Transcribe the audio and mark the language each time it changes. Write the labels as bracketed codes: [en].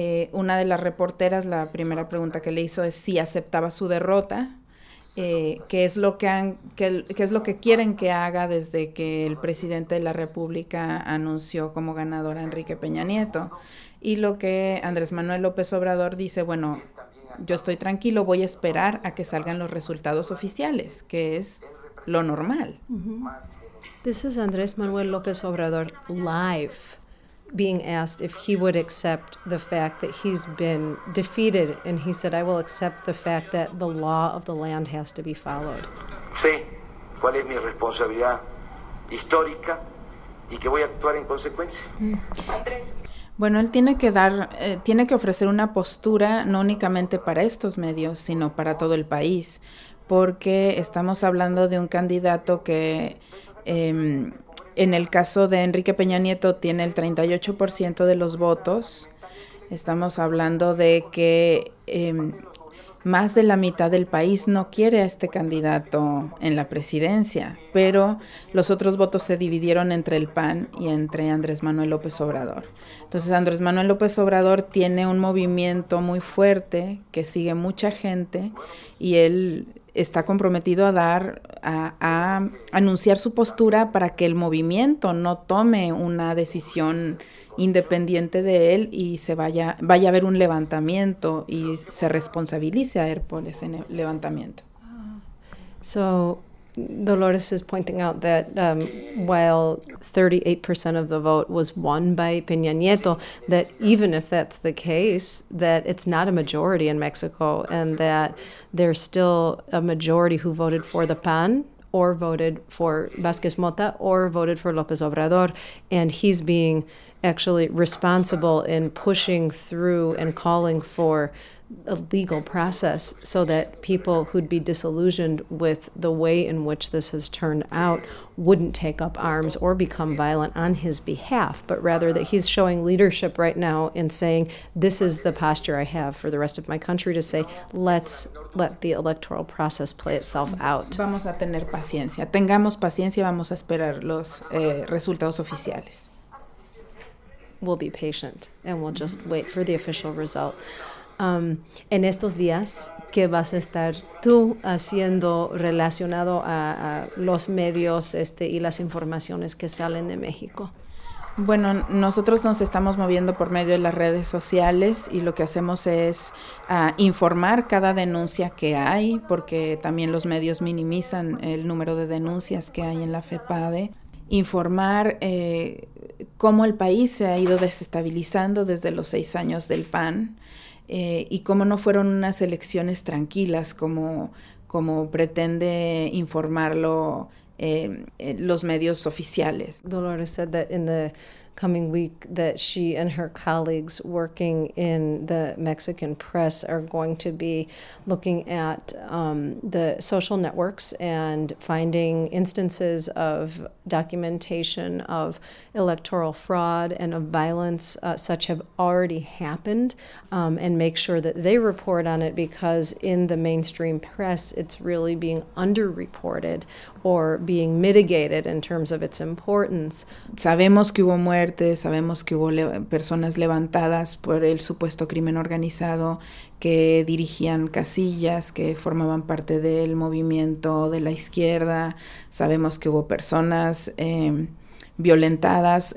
[es] Una de las reporteras, la primera pregunta que le hizo es si aceptaba su derrota, qué es lo que quieren que haga desde que el presidente de la República anunció como ganador a Enrique Peña Nieto. Y lo que Andrés Manuel López Obrador dice, bueno, yo estoy tranquilo, voy a esperar a que salgan los resultados oficiales, que es lo normal. [en] This is Andrés Manuel López Obrador live being asked if he would accept the fact that he's been defeated, and he said, I will accept the fact that the law of the land has to be followed. [es] Sí, cuál es mi responsabilidad histórica y que voy a actuar en consecuencia. Andrés. Bueno, él tiene que ofrecer una postura no únicamente para estos medios, sino para todo el país, porque estamos hablando de un candidato que en el caso de Enrique Peña Nieto tiene el 38% de los votos. Estamos hablando de que más de la mitad del país no quiere a este candidato en la presidencia, pero los otros votos se dividieron entre el PAN y entre Andrés Manuel López Obrador. Entonces, Andrés Manuel López Obrador tiene un movimiento muy fuerte que sigue mucha gente y él está comprometido a anunciar su postura para que el movimiento no tome una decisión independiente de él y vaya a haber un levantamiento y se responsabilice a él por ese levantamiento. [en] So Dolores is pointing out that while 38% of the vote was won by Peña Nieto, that even if that's the case, that it's not a majority in Mexico and that there's still a majority who voted for the PAN or voted for Vázquez Mota or voted for López Obrador, and he's being actually responsible in pushing through and calling for a legal process so that people who'd be disillusioned with the way in which this has turned out wouldn't take up arms or become violent on his behalf, but rather that he's showing leadership right now in saying, this is the posture I have for the rest of my country to say, let's let the electoral process play itself out. [es] Vamos a tener paciencia. Tengamos paciencia, vamos a esperar los resultados oficiales. [en] We'll be patient and we'll just wait for the official result. [es] En estos días, ¿qué vas a estar tú haciendo relacionado a los medios y las informaciones que salen de México? Bueno, nosotros nos estamos moviendo por medio de las redes sociales y lo que hacemos es informar cada denuncia que hay, porque también los medios minimizan el número de denuncias que hay en la FEPADE. Informar cómo el país se ha ido desestabilizando desde los 6 años del PAN. Y cómo no fueron unas elecciones tranquilas como pretende informarlo los medios oficiales. [en] Dolores said that in the coming week that she and her colleagues working in the Mexican press are going to be looking at the social networks and finding instances of documentation of electoral fraud and of violence such have already happened and make sure that they report on it, because in the mainstream press it's really being underreported or being mitigated in terms of its importance. [es] Sabemos que hubo muertes, sabemos que hubo personas levantadas por el supuesto crimen organizado, que dirigían casillas, que formaban parte del movimiento de la izquierda. Sabemos que hubo personas violentadas.